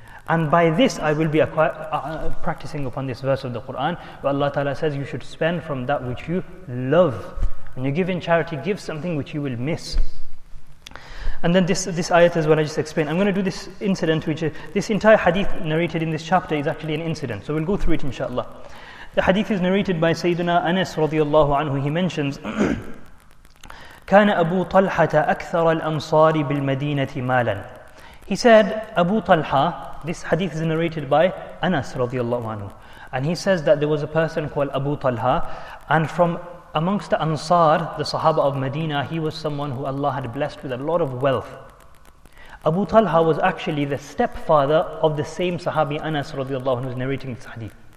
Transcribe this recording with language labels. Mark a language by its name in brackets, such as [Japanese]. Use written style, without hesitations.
[English] And by this, I will be practicing upon this verse of the Quran, where Allah Ta'ala says, you should spend from that which you love. When you give in charity, give something which you will miss. And then this ayat is what I just explained. I'm going to do this incident, which is, this entire hadith narrated in this chapter is actually an incident. So we'll go through it inshallah. The hadith is narrated by Sayyidina Anas radiallahu anhu. [Arabic] He mentions, كان أبو طلحة أكثر الأمصار بالمدينة مالا. [English] He said, Abu Talha, this hadith is narrated by Anas radiallahu anhu. And he says that there was a person called Abu Talha, and from amongst the Ansar, the Sahaba of Medina, he was someone who Allah had blessed with a lot of wealth. Abu Talha was actually the stepfather of the same Sahabi Anas radiallahu anhu, who is narrating this hadith.